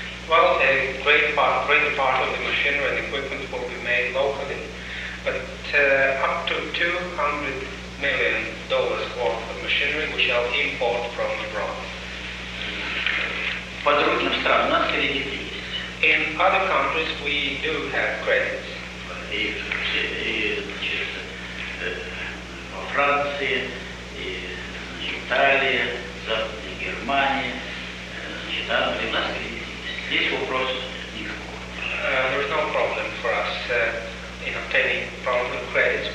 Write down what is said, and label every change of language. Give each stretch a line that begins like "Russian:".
English: Well, a great part of the machinery and equipment will be made locally, but up to 200 million dollars worth of machinery we shall import from abroad.
Russian: По другим странам, у нас кредиты есть.
English: In other countries, we do have credits.
Russian: Во Франции, и в Италии, в Западной Германии, значит, Англии, у нас кредиты есть. Есть вопрос никакого.
English: There is no problem for us in obtaining problem credits.